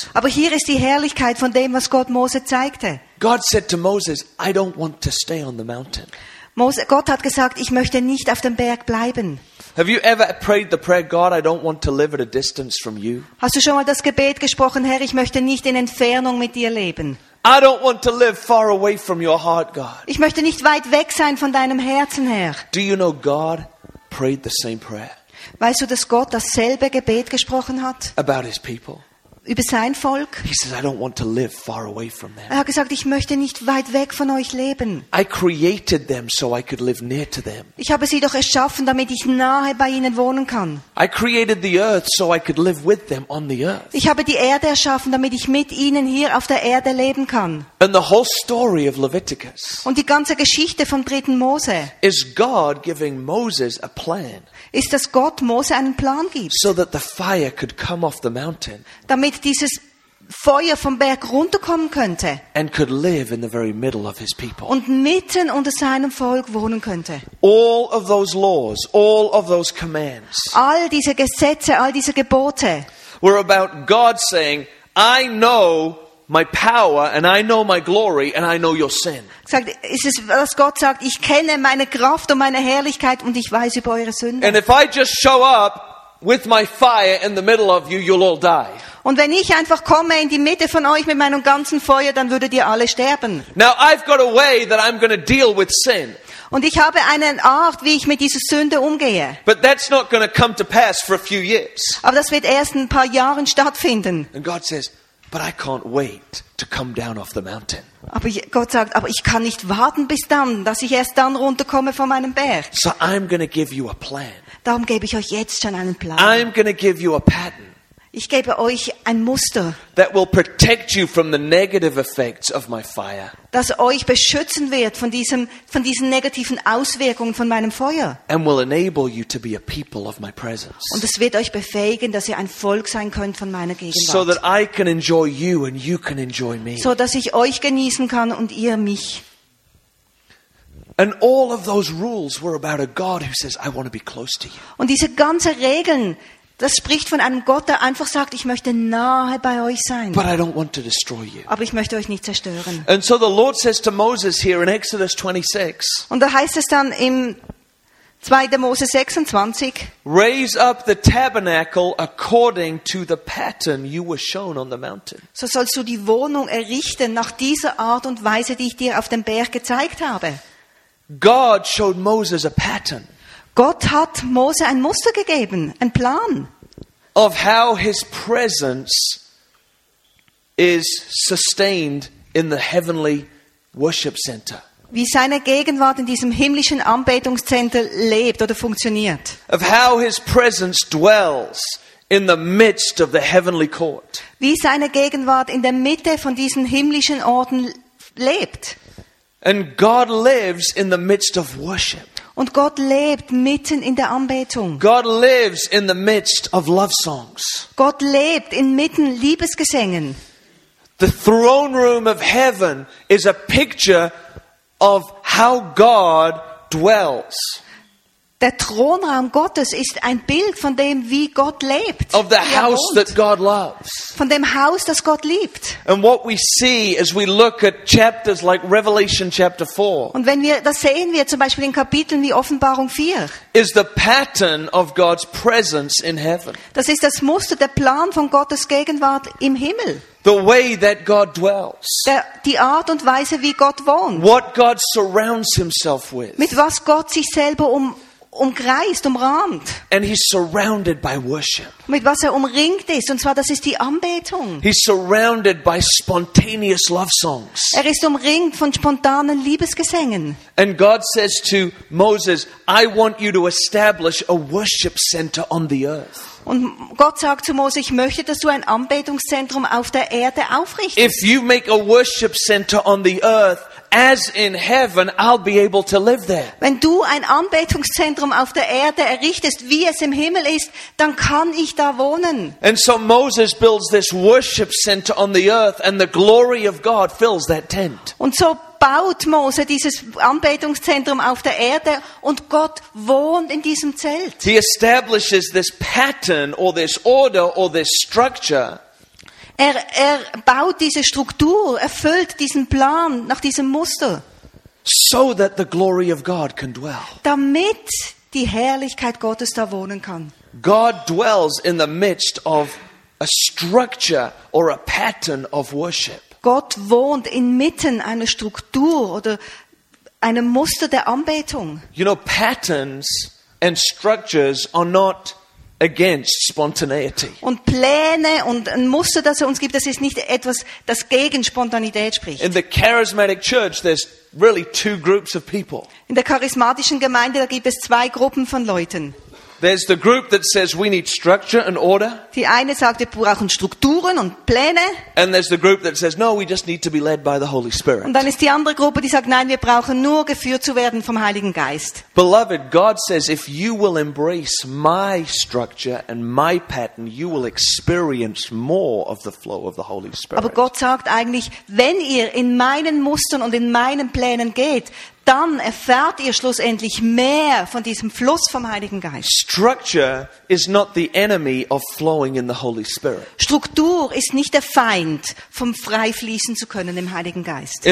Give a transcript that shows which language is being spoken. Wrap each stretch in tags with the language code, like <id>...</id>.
<de>Aber hier ist die Herrlichkeit von dem, was Gott Mose zeigte.</de> <en>God said to Moses, "I don't want to stay on the mountain."</en> <de>Gott hat gesagt, ich möchte nicht auf dem Berg bleiben.</de> <en>Have you ever prayed the prayer, God, I don't want to live at a distance from you?</en> <de>Hast du schon mal das Gebet gesprochen, Herr, ich möchte nicht in Entfernung mit dir leben?</de> <en>I don't want to live far away from your heart, God.</en> <de>Ich möchte nicht weit weg sein von deinem Herzen, Herr.</de> <en>Do you know God prayed the same prayer?</en> <de>Weißt du, dass Gott dasselbe Gebet gesprochen hat?</de> <en>About his people.</en> <de>Über sein Volk.</de> <en>He says, I don't want to live far away from them.</en> <de>Er hat gesagt, ich möchte nicht weit weg von euch leben.</de> <en>I created them so I could live near to them.</en> <de>Ich habe sie doch erschaffen, damit ich nahe bei ihnen wohnen kann.</de> <en>I created the earth so I could live with them on the earth.</en> <de>Ich habe die Erde erschaffen, damit ich mit ihnen hier auf der Erde leben kann.</de> <en>And the whole story of Leviticus.</en> <de>Und die ganze Geschichte vom dritten Mose.</de> <en>Is God giving Moses a plan?</en> <de>Ist, dass Gott Mose einen Plan gibt,</de> <en>so that the fire could come off the mountain,</en> <de>damit dieses Feuer vom Berg runterkommen könnte,</de> <en>and could live in the very middle of his people,</en> <de>und mitten unter seinem Volk wohnen könnte.</de> <en>All of those laws, all of those commands,</en> <de>all diese Gesetze, all diese Gebote,</de> <en>were about God saying, I know my power and I know my glory and I know your sin.</en> <de>Sagt, es ist, was Gott sagt, ich kenne meine Kraft und meine Herrlichkeit und ich weiß über eure Sünde.</de> <en>And if I just show up with my fire in the middle of you, you'll all die.</en> <de>Und wenn ich einfach komme in die Mitte von euch mit meinem ganzen Feuer, dann würdet ihr alle sterben.</de> <en>Now I've got a way that I'm going to deal with sin.</en> <de>Und ich habe eine Art, wie ich mit dieser Sünde umgehe.</de> <en>But that's not going to come to pass for a few years.</en> <de>Aber das wird erst ein paar Jahren stattfinden.</de> <en>And God says, but I can't wait to come down off the mountain.</en> <de>Aber Gott sagt, aber ich kann nicht warten bis dann, dass ich erst dann runterkomme von meinem Berg.</de> <en>So I'm going to give you a plan.</en> <de>Darum gebe ich euch jetzt schon einen Plan.</de> <en>I'm going to give you a pattern.</en> <de>Ich gebe euch ein Muster.</de> <en>That will protect you from the negative effects of my fire.</en> <de>Das euch beschützen wird von diesen negativen Auswirkungen von meinem Feuer.</de> <en>And will enable you to be a people of my presence.</en> <de>Und es wird euch befähigen, dass ihr ein Volk sein könnt von meiner Gegenwart.</de> <en>So that I can enjoy you and you can enjoy me.</en> <de>So dass ich euch genießen kann und ihr mich.</de> <en>And all of those rules were about a God who says, I want to be close to you.</en> <de>Und diese ganzen Regeln, das spricht von einem Gott, der einfach sagt, ich möchte nahe bei euch sein.</de> <en>But I don't want to destroy you.</en> <de>Aber ich möchte euch nicht zerstören.</de> <en>And so the Lord says to Moses here in Exodus 26.</en> <de>Und da heißt es dann im 2. Mose 26.</de> <en>Raise up the tabernacle according to the pattern you were shown on the mountain.</en> <de>So sollst du die Wohnung errichten nach dieser Art und Weise, die ich dir auf dem Berg gezeigt habe.</de> <en>God showed Moses a pattern.</en> <de>Gott hat Mose ein Muster gegeben, ein Plan.</de> <en>Of how his presence is sustained in the heavenly worship center.</en> <de>Wie seine Gegenwart in diesem himmlischen Anbetungszentrum lebt oder funktioniert.</de> <en>Of how his presence dwells in the midst of the heavenly court.</en> <de>Wie seine Gegenwart in der Mitte von diesen himmlischen Orten lebt.</de> <en>And God lives in the midst of worship.</en> <de>Und Gott lebt mitten in der Anbetung.</de> <en>God lives in the midst of love songs.</en> <de>Gott lebt inmitten Liebesgesängen.</de> <en>The throne room of heaven is a picture of how God dwells.</en> <de>Der Thronraum Gottes ist ein Bild von dem, wie Gott lebt.</de> <en>Of the house that God loves.</en> <de>Von dem Haus, das Gott liebt.</de> <en>And what we see as we look at chapters like Revelation chapter 4.</en> <de>Und wenn wir das sehen, wir zum Beispiel in Kapiteln wie Offenbarung 4.</de> <en>Is the pattern of God's presence in heaven.</en> <de>Das ist das Muster, der Plan von Gottes Gegenwart im Himmel.</de> <en>The way that God dwells.</en> <de>Die Art und Weise, wie Gott wohnt.</de> <en>What God surrounds himself with.</en> <de>Mit was Gott sich selber umkreist, umrahmt.</de> <en>And he's surrounded by worship.</en> <de>Mit was er umringt ist, und zwar das ist die Anbetung.</de> <en>He's surrounded by spontaneous love songs.</en> <de>Er ist umringt von spontanen Liebesgesängen.</de> <en>And God says to Moses, I want you to establish a worship center on the earth.</en> <de>Und Gott sagt zu Mose, ich möchte, dass du ein Anbetungszentrum auf der Erde aufrichtest.</de> <en>If you make a worship center on the earth, as in heaven, I'll be able to live there.</en> <de>Wenn du ein Anbetungszentrum auf der Erde errichtest, wie es im Himmel ist, dann kann ich da wohnen.</de> <en>And so Moses builds this worship center on the earth, and the glory of God fills that tent.</en> <de>Und so baut Mose dieses Anbetungszentrum auf der Erde, und Gott wohnt in diesem Zelt.</de> <en>He establishes this pattern or this order or this structure.</en> <de>Er baut diese Struktur, erfüllt diesen Plan nach diesem Muster.</de> <en>So that the glory of God can dwell.</en> <de>Damit die Herrlichkeit Gottes da wohnen kann.</de> <en>God dwells in the midst of a structure or a pattern of worship.</en> <de>Gott wohnt inmitten einer Struktur oder einem Muster der Anbetung.</de> <en>You know, patterns and structures are not against spontaneity.</en> <de>Und Pläne und ein Muster, das er uns gibt, das ist nicht etwas, das gegen Spontanität spricht.</de> <en>In the charismatic church, there's really two groups of people.</en> <de>In der charismatischen Gemeinde, da gibt es zwei Gruppen von Leuten.</de> <en>There's the group that says we need structure and order.</en> <de>Die eine sagt, wir brauchen Strukturen und Pläne.</de> <en>And there's the group that says no, we just need to be led by the Holy Spirit.</en> <de>Und dann ist die andere Gruppe, die sagt, nein, wir brauchen nur geführt zu werden vom Heiligen Geist.</de> <en>Beloved, God says if you will embrace my structure and my pattern, you will experience more of the flow of the Holy Spirit.</en> <de>Aber Gott sagt eigentlich, wenn ihr in meinen Mustern und in meinen Plänen geht, dann erfahrt ihr schlussendlich mehr von diesem Fluss vom Heiligen Geist.</de> <en>Structure is not the enemy of flowing in the Holy Spirit.</en> <de>Struktur ist nicht der Feind, vom frei fließen zu können im Heiligen Geist.</de>